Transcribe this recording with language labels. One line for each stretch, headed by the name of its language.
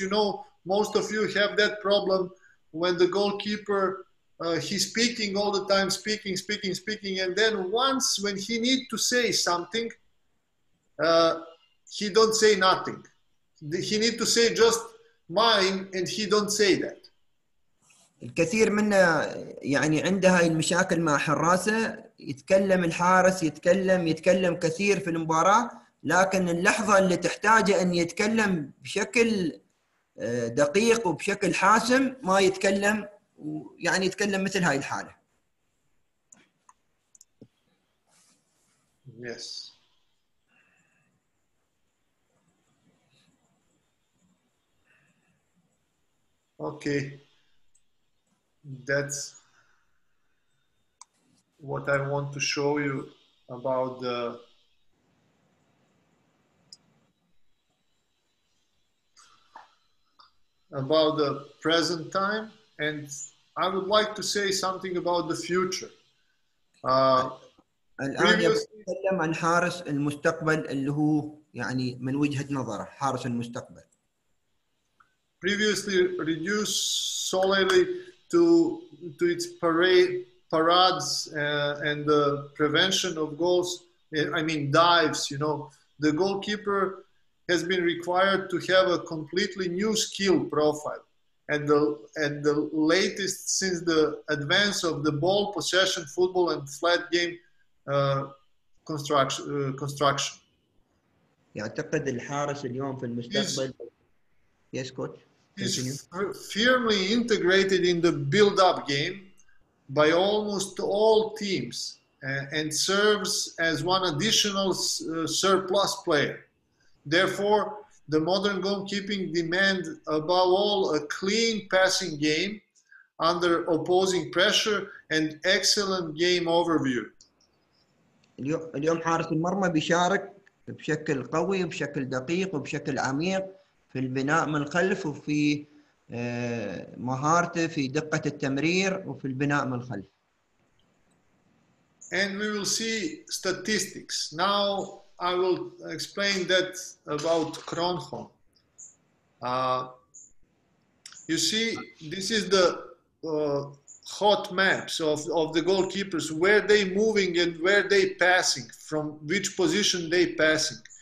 English: You know, most of you have that problem when the goalkeeper, he's speaking all the time, speaking. And then once when he need to say something, he don't say nothing. He need to say just mine and he don't say that.
Arabic: الكثير منا يعني عنده هاي المشاكل مع حراسة، يتكلم الحارس يتكلم كثير في المباراة، لكن اللحظة اللي تحتاجه أن يتكلم بشكل دقيق وبشكل حاسم ما يتكلم، يعني يتكلم مثل هاي الحالة.
English: Yes. Okay. That's what I want to show you about the present time, and I would like to say something about the future.
Arabic: الآن يتكلم عن حارس المستقبل اللي هو يعني من وجهة نظره حارس المستقبل.
English: Previously reduced solely to its parades and the prevention of goals, I mean dives, you know. The goalkeeper has been required to have a completely new skill profile. And the latest since the advance of the ball possession football and flat game construction.
Arabic: يعتقد الحارس اليوم في المستقبل.
English: Yes, coach. Is firmly integrated in the build-up game by almost all teams and serves as one additional surplus player. Therefore, the modern goalkeeping demand above all a clean passing game, under opposing pressure and excellent game overview.
Arabic: اليوم حارس المرمى بيشارك بشكل قوي وبشكل دقيق وبشكل عميق في البناء من الخلف وفي مهارته في دقة التمرير وفي البناء من الخلف.
English: And we will see statistics. Now I will explain that about Kronholm. You see, this is the hot maps of the goalkeepers, where they moving and where they passing, from which position they passing.